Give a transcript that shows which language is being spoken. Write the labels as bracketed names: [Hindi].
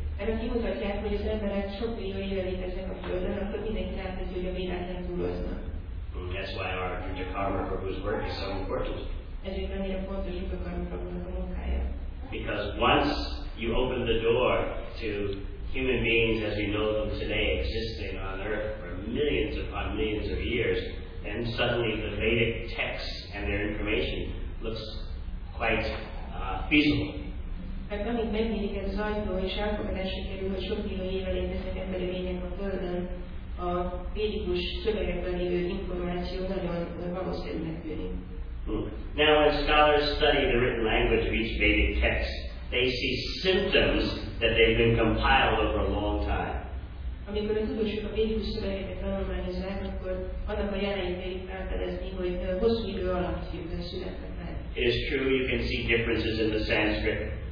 [Hungarian] Erre kimutatják, hogy az emberek sok millió éve léteznek a Földön, akkor mindenki látja, hogy a Védák nem túloznak. [English] That's why our Yuga Karma Prabhu's work is so important. [Hungarian] Ezért annyira fontos Yuga Karma Prabhu-nak a munkája. [English] Because once you open the door to human beings as we know them today existing on Earth for millions upon millions of years, then suddenly the Vedic texts and their information looks quite feasible. [Hungarian] Mert amíg megnyílik ez az ajtó, és elfogadásra kerül, hogy sok millió éve léteznek emberi lények a Földön, a védikus szövegekben lévő információ nagyon valószínűnek tűnik. [English] Now, when scholars study the written language of each Vedic text, they see symptoms that they've been compiled over a long time. [Hungarian] Amikor a tudósok a védikus szövegeket tanulmányozzák, akkor annak a jeleit kell feltelezni, hogy hosszú idő alatt születtek meg. [English] It is true, you can see differences in the Sanskrit.